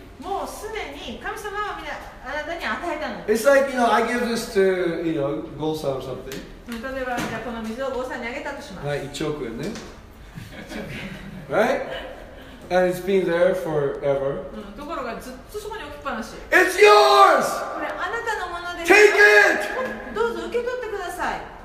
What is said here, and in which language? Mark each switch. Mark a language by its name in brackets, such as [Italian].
[Japanese] もうすでに神様はみんなあなたに与えたの。 [English] It's like, you know, I give this to, you know, Go さん or something. [Japanese] 例えばこの水をGoさんにあげたとします。はい、1億円ね。 [English] Right? And it's been there forever. [Japanese] ところがずっとそこに置きっぱなし。 [English] It's yours! [Japanese] これあなたのものです。 [English] Take it! [Japanese] どうぞ受け取ってください。